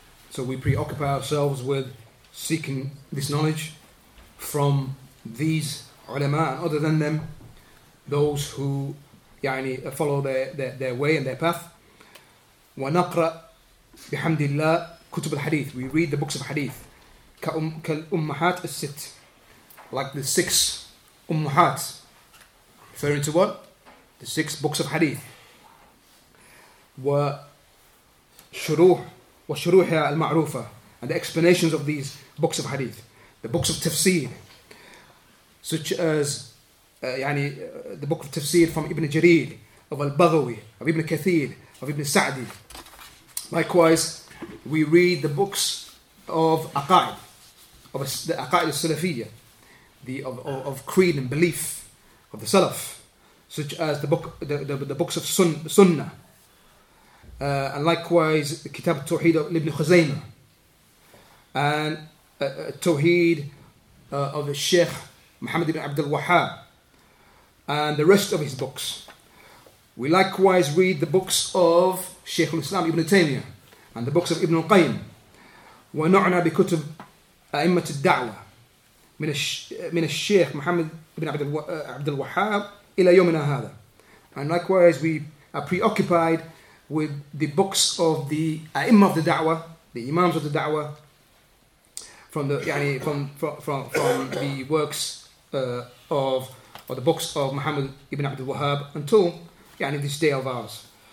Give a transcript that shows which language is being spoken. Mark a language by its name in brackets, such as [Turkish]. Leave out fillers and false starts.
[English] So we preoccupy ourselves with seeking this knowledge from these ulama and other than them, those who يعني, follow their way and their path. [Arabic] ونقرأ بحمد الله كتب الحديث. [English] We read the books of hadith. [Arabic] كالأمهات الست. [English] Like the six أمهات. Referring to what? The six books of hadith. وشروح. [Arabic] وشروحها المعروفة, [English] and the explanations of these books of hadith, the books of tafsir, such as يعني, the book of tafsir from Ibn Jarir, of Al-Baghawi, of Ibn Kathir, of Ibn Sa'di. Likewise, we read the books of Aqaid, of the Aqaid al-Salafiyya, of creed and belief of the Salaf, such as the books of Sunnah. And likewise, the Kitab al-Tawheed of Ibn Khuzaymah, and Tawheed of the Sheikh Muhammad ibn Abdul Wahhab, and the rest of his books. We likewise read the books of Sheikh al-Islam Ibn Taymiyyah, and the books of Ibn al-Qayyim. [Arabic] وَنُعْنَا بِكُتُبْ أَئِمَّةِ الدَّعْوَةِ مِنَ الشَّيْخ Muhammad ibn Abdul Wahhab إِلَى يَوْمِنَا هَذَا. [English] And likewise, we are preoccupied with the books of the a'imma of the da'wah, the imams of the da'wah, from the yani from the works of, or the books of Muhammad ibn Abdul Wahhab until yani this day of ours.